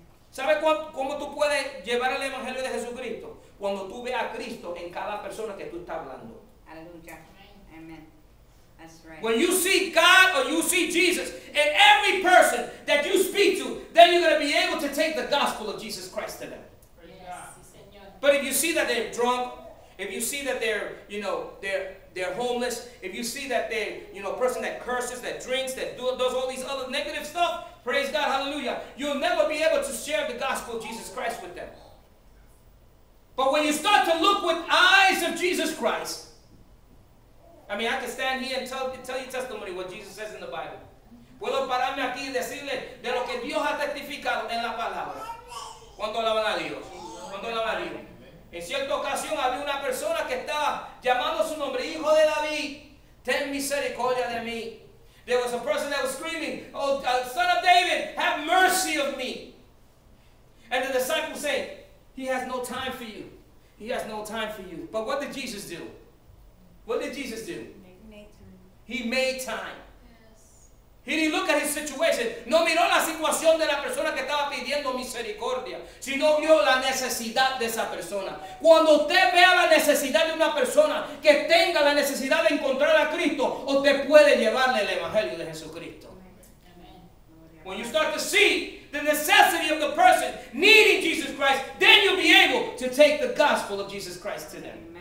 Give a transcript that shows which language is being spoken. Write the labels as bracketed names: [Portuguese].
[Spanish] ¿Sabes cómo tú puedes llevar el Evangelio de Jesucristo? Cuando tú ves a Cristo en cada persona que tú estás hablando. [English] Aleluya. Amen. That's right. When you see God or you see Jesus in every person that you speak to, then you're going to be able to take the gospel of Jesus Christ to them. Yes, but if you see that they're drunk, if you see that they're, you know, they're homeless, if you see that they, you know, a person that curses, that drinks, that does all these other negative stuff, praise God, hallelujah, you'll never be able to share the gospel of Jesus Christ with them. But when you start to look with eyes of Jesus Christ, I mean, I can stand here and tell you testimony what Jesus says in the Bible. [Spanish] Puedo pararme aquí y decirle de lo que Dios ha testificado en la palabra. ¿Cuánto alaban a Dios? ¿Cuánto alaban a Dios? En cierta ocasión había una persona que estaba llamando su nombre, Hijo de David, ten misericordia de mí. [English] There was a person that was screaming, oh, Son of David, have mercy of me. And the disciples say, he has no time for you. He has no time for you. But what did Jesus do? What did Jesus do? He made time. He didn't look at his situation. [Spanish] No miró la situación de la persona que estaba pidiendo misericordia, sino vio la necesidad de esa persona. Cuando usted vea la necesidad de una persona que tenga la necesidad de encontrar a Cristo, usted puede llevarle el Evangelio de Jesucristo. Amen. [English] When you start to see the necessity of the person needing Jesus Christ, then you'll be able to take the gospel of Jesus Christ to them.